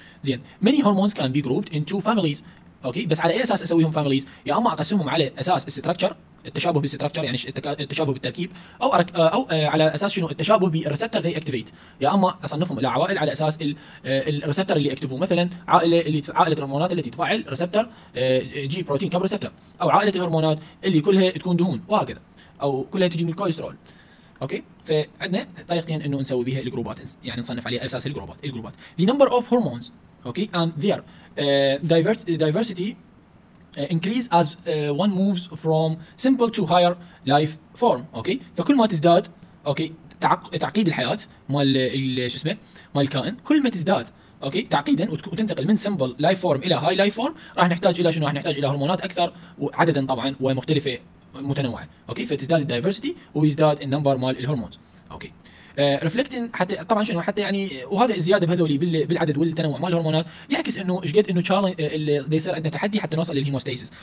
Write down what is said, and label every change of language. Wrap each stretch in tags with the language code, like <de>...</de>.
<ar>زين</ar> <en>Many hormones can be grouped into families.</en> <ar>اوكي بس على اي اساس اسويهم فاميليز؟ يا اما اقسمهم على اساس الستراكشر التشابه بالستراكشر يعني التشابه بالتركيب او على اساس شنو التشابه بالريسبتر ذي اكتيفيت، يا اما اصنفهم الى عوائل على اساس الريسبتر اللي اكتفوا مثلا عائله الهرمونات التي تفعل ريسبتر جي بروتين كاب ريسبتر او عائله الهرمونات اللي كلها تكون دهون وهكذا او كلها تجي من الكوليسترول. اوكي فعندنا طريقتين انه نسوي بها الجروبات يعني نصنف عليها اساس الجروبات.</ar> <en>The number of hormones okay and their diversity increase as one moves from simple to higher life form.</en> <ar>اوكي فكل ما تزداد اوكي تعقيد الحياه مال شو اسمه مال الكائن، كل ما تزداد اوكي تعقيدا وتنتقل من</ar> <en>simple life form</en> <ar>الى</ar> <en>high life form</en> <ar>راح نحتاج الى شنو؟ راح نحتاج الى هرمونات اكثر وعددا طبعا ومختلفه متنوعه. اوكي فتزداد الدايفرسيتي ويزداد النمبر مال الهرمونز. اوكي reflecting حتى طبعا شنو حتى يعني وهذا الزياده بهذولي بالعدد والتنوع مال الهرمونات يعكس انه ايش قد انه تشالنج يصير عندنا تحدي حتى نوصل للهيموستاسيس.</ar>